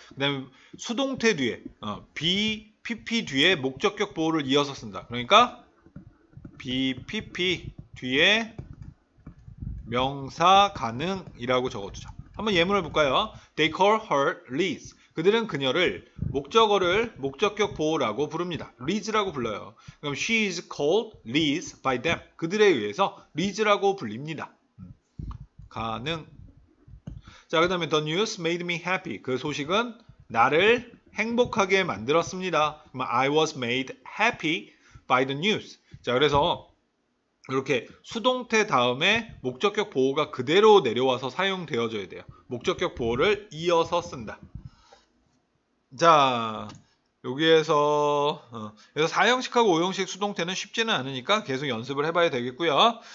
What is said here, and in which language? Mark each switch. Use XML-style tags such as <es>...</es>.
<ko>그다음에 수동태 뒤에 be, pp 뒤에 목적격 보호를 이어서 쓴다. 그러니까 be, pp 뒤에 명사 가능이라고 적어주자. 한번 예문을 볼까요?</ko> <en>They call her Liz.</en> <ko>그들은 그녀를 목적어를 목적격 보호라고 부릅니다. Liz라고 불러요. 그럼</ko> <en>she is called Liz by them.</en> <ko>그들에 의해서 Liz라고 불립니다. 가능. 자, 그 다음에</ko> <en>the news made me happy.</en> <ko>그 소식은 나를 행복하게 만들었습니다.</ko> <en>I was made happy by the news.</en> <ko>자, 그래서 이렇게 수동태 다음에 목적격 보호가 그대로 내려와서 사용되어져야 돼요. 목적격 보호를 이어서 쓴다. 자, 여기에서 그래서 4형식하고 5형식 수동태는 쉽지는 않으니까 계속 연습을 해봐야 되겠고요.</ko>